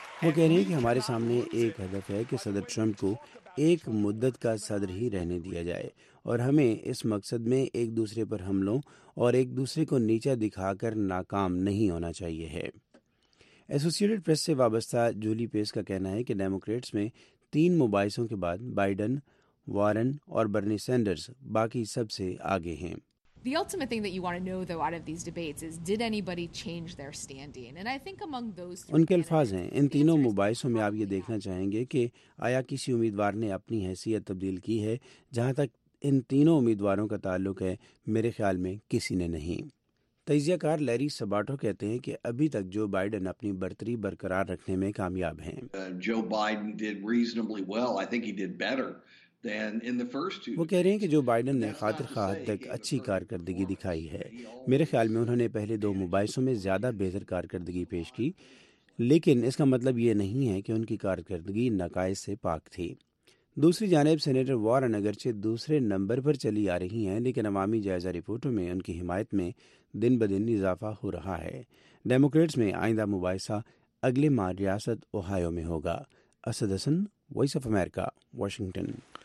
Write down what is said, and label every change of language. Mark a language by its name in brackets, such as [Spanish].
[Urdu] وہ کہہ رہے ہیں کہ ہمارے سامنے ایک ہدف ہے کہ صدر ٹرمپ کو ایک مدت کا صدر ہی رہنے دیا جائے، اور ہمیں اس مقصد میں ایک دوسرے پر حملوں اور ایک دوسرے کو نیچا دکھا کر ناکام نہیں ہونا چاہیے ہے۔ ایسوسیٹڈ پریس سے وابستہ جولی پیس کا کہنا ہے کہ ڈیموکریٹس میں تین مباحثوں کے بعد بائیڈن، وارن اور برنی سینڈرز باقی سب سے آگے ہیں۔ [English] The ultimate thing that you want to know though out of these debates is did anybody change their standing, and I think among those [Urdu] ان کے الفاظ ہیں، ان تینوں مباحثوں میں آپ یہ دیکھنا چاہیں گے کہ آیا کسی امیدوار نے اپنی حیثیت تبدیل کی ہے۔ جہاں تک ان تینوں امیدواروں کا تعلق ہے، میرے خیال میں کسی نے نہیں۔ تجزیہ کار لیری سباٹو کہتے ہیں کہ ابھی تک جو بائیڈن اپنی برتری برقرار رکھنے میں کامیاب ہیں۔ [English] Joe Biden did reasonably well, I think he did better. [Urdu] وہ کہہ رہے ہیں کہ جو بائیڈن نے خاطر خواہ تک اچھی کارکردگی دکھائی ہے، میرے خیال میں انہوں نے پہلے دو مباحثوں میں زیادہ بہتر کارکردگی پیش کی، لیکن اس کا مطلب یہ نہیں ہے کہ ان کی کارکردگی نقائص سے پاک تھی۔ دوسری جانب سینیٹر وارن اگرچہ دوسرے نمبر پر چلی آ رہی ہیں، لیکن عوامی جائزہ رپورٹوں میں ان کی حمایت میں دن بدن اضافہ ہو رہا ہے۔ ڈیموکریٹس میں آئندہ مباحثہ اگلے ماہ ریاست اوہایو میں ہوگا۔ اسد حسن، وائس آف امریکہ، واشنگٹن۔